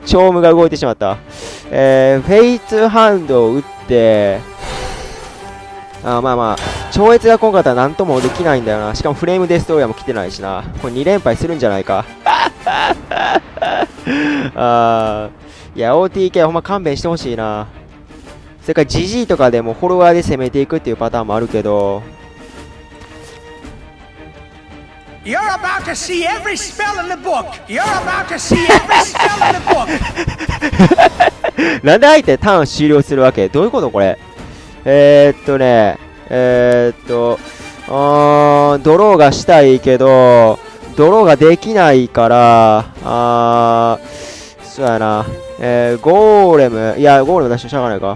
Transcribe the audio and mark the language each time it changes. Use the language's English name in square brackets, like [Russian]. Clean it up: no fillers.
[Japanese] 超無が動いてしまった。フェイスハンドを打って、あ、まあまあ、超越が来んかったら何ともできないんだよな。しかもフレームデストロイヤーも来てないしな。これ2連敗するんじゃないか。あ、いや、OTK はほんま勘弁してほしいな。それか GG とかでもフォロワーで攻めていくっていうパターンもあるけど。 [English] You're about to see every spell in the book! You're about to see every spell in the book! [Japanese] なんで相手ターン終了するわけ？どういうことこれ？ドローがしたいけど、ドローができないから、そうやな、ゴーレム、いや、ゴーレム出してしゃがないか。